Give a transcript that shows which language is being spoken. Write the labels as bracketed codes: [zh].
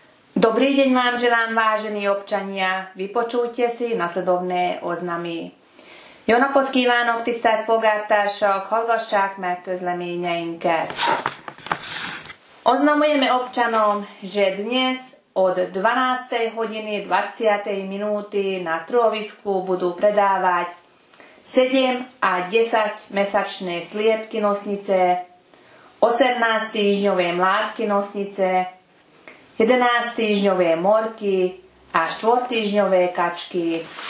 [sk] Dobrý deň vám želám, vážení občania. Vypočujte si nasledovné oznamy. [hu] Jónapot kívánok, tisztelt polgártársak, hallgassák meg közleményeinket. [sk] Oznamujeme občanom, že dnes od 12. hodiny 20. minúty na trhovisku budú predávať 7 a 10 mesačné sliepky nosnice, 18 týždňové mládky nosnice, 11 týždňové morky a 4 týždňové kačky.